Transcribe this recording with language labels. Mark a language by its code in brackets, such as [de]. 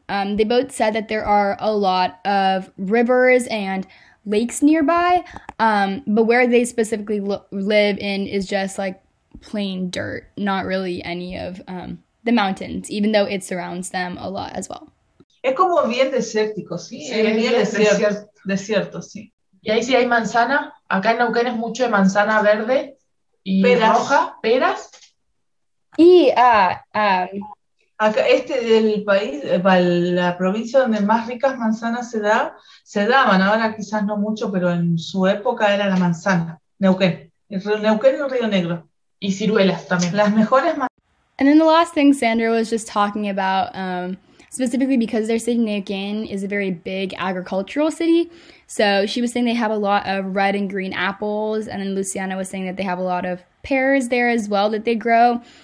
[en] They both said that there are a lot of rivers and lakes nearby, but where they specifically live in is just like plain dirt, not really any of the mountains, even though it surrounds them a lot as well. [es] Es como bien desértico, sí. Sí, es bien desierto. Y ahí sí hay manzana. Acá en Neuquén es mucho de manzana verde y peras. Roja, peras. Y acá, este del país, la provincia donde más ricas manzanas se daban, ahora quizás no mucho, pero en su época era la manzana, Neuquén. Neuquén y el Río Negro. Y ciruelas también. Las mejores manzanas. [en] And then the last thing Sandra was just talking about, specifically because their city, Neuquén, is a very big agricultural city. So she was saying they have a lot of red and green apples. And then Luciana was saying that they have a lot of pears there as well that they grow.